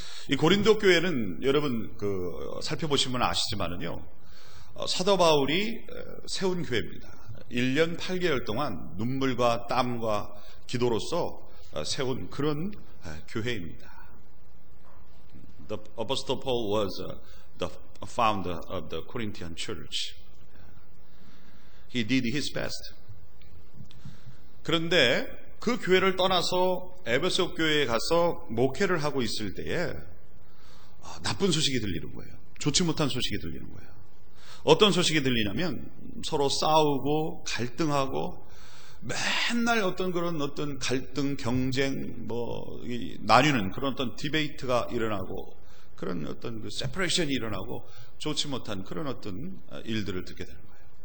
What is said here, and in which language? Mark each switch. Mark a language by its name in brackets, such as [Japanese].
[Korean] 이 고린도 교회는 여러분 그 살펴보시면 아시지만은요, 사도 바울이 세운 교회입니다. 1년 8개월 동안 눈물과 땀과 기도로서 세운 그런 교회입니다. [English] The Apostle Paul was the founder of the Corinthian church. He did his best. [Korean] 그런데 그 교회를 떠나서 에베소 교회에 가서 목회를 하고 있을 때에 나쁜 소식이 들리는 거예요. 좋지 못한 소식이 들리는 거예요. 어떤 소식이 들리냐면 서로 싸우고 갈등하고 맨날 어떤 그런 어떤 갈등, 경쟁, 뭐 이 나뉘는 그런 어떤 디베이트가 일어나고 그런 어떤 그 세퍼레이션이 일어나고 좋지 못한 그런 어떤 일들을 듣게 되는 거예요.